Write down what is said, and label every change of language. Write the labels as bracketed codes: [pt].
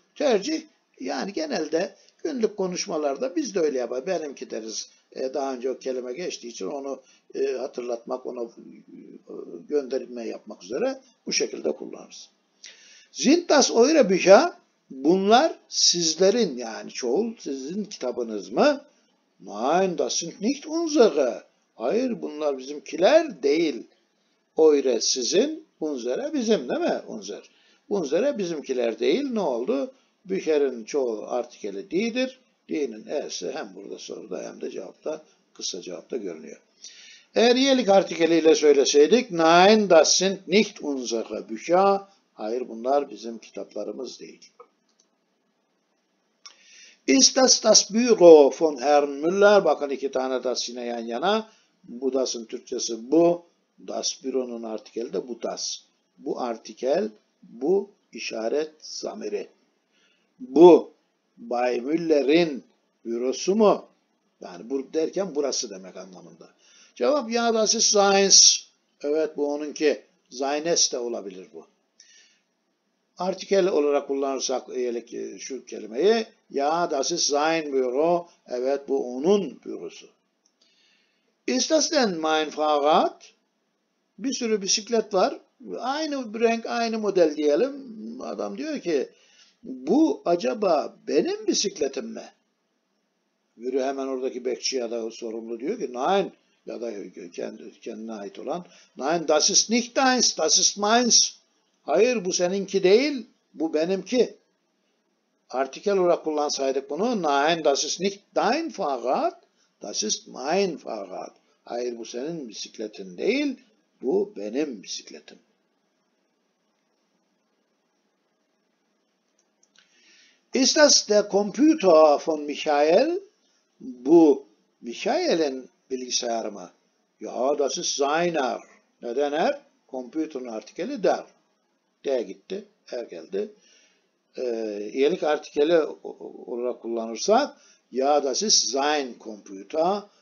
[tr] Tercih, yani genelde günlük konuşmalarda biz de öyle yapar. Benimki deriz. Daha önce o kelime geçtiği için onu hatırlatmak, ona gönderme yapmak üzere bu şekilde kullanırız. [de] Sind das eure Bücher? [tr] Bunlar sizlerin, yani çoğul sizin kitabınız mı? [de] Nein, das sind nicht unsere. [tr] Hayır, bunlar bizimkiler değil. Eure sizin, unsere bizim, değil mi? Unser. Unsere bizimkiler değil. Ne oldu? Bücher'in çoğu artikeli die'dir. Die'nin e'si hem burada soruda hem de cevapta, kısa cevapta görünüyor. Eğer iyelik artikeliyle söyleseydik, [de] nein, das sind nicht unsere Bücher. [tr] Hayır, bunlar bizim kitaplarımız değil. [de] Ist das das Büro von Herrn Müller? [tr] Bakın iki tane das yine yan yana. Bu das'ın Türkçesi bu. Das Büro'nun artikeli de bu das. Bu artikel, bu işaret zamiri. Bu, Bay Müller'in bürosu mu? Yani bu derken burası demek anlamında. Cevap [de] ya das ist seins. [tr] Evet, bu onunki. Seines de olabilir bu. Artikel olarak kullanırsak şu kelimeyi [de] ya das ist sein büro. [tr] Evet, bu onun bürosu. [de] Ist das denn mein Fahrrad? [tr] Bir sürü bisiklet var. Aynı renk, aynı model diyelim. Adam diyor ki bu acaba benim bisikletim mi? Biri hemen oradaki bekçi ya da sorumlu diyor ki nein. Ya da kendine ait olan. [de] Nein, das ist nicht deins, das ist meins. [tr] Hayır, bu seninki değil, bu benimki. Artikel olarak kullansaydık bunu, [de] nein, das ist nicht dein Fahrrad, das ist mein Fahrrad. [tr] Hayır, bu senin bisikletin değil, bu benim bisikletim. [de] Ist das der Computer von Michael? [tr] Bu Michael'in bilgisayarı mı? [de] Ja, das ist seiner. [tr] Neden er? Computer'ın artikeli der. D gitti, er geldi. İyelik artikeli olarak kullanırsak [de] ja, das ist sein Computer.